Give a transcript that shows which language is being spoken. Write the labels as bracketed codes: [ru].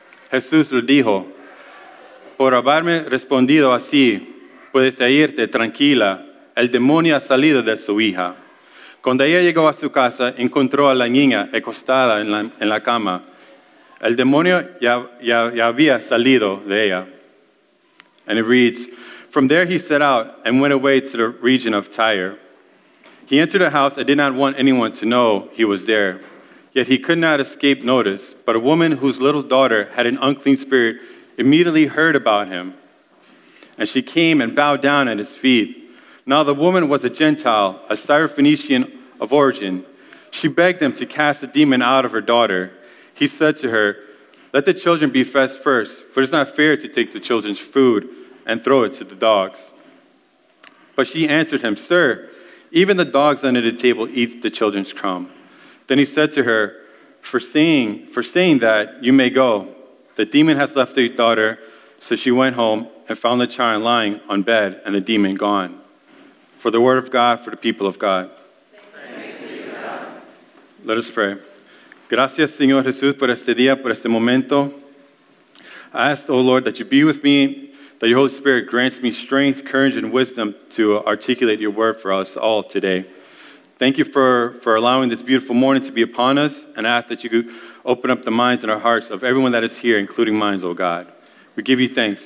[es] Jesús le dijo, por haberme respondido así, puedes irte tranquila, el demonio ha salido de su hija. Cuando ella llegó a su casa, encontró a la niña acostada en la cama. El demonio ya había salido de ella. [en] And it reads, from there he set out and went away to the region of Tyre. He entered a house and did not want anyone to know he was there. Yet he could not escape notice, but a woman whose little daughter had an unclean spirit immediately heard about him. And she came and bowed down at his feet. Now the woman was a Gentile, a Syrophoenician of origin. She begged them to cast the demon out of her daughter. He said to her, let the children be fed first, for it is not fair to take the children's food and throw it to the dogs. But she answered him, sir, even the dogs under the table eat the children's crumb. Then he said to her, for saying that, you may go. The demon has left the daughter. So she went home and found the child lying on bed and the demon gone. For the word of God, for the people of God. Thanks be to God. Let us pray. [es] Gracias, Señor Jesús, por este día, por este momento. [en] I ask, O Lord, that you be with me, that your Holy Spirit grants me strength, courage, and wisdom to articulate your word for us all today. Thank you for allowing this beautiful morning to be upon us, and I ask that you could open up the minds and our hearts of everyone that is here, including minds, O God. We give you thanks.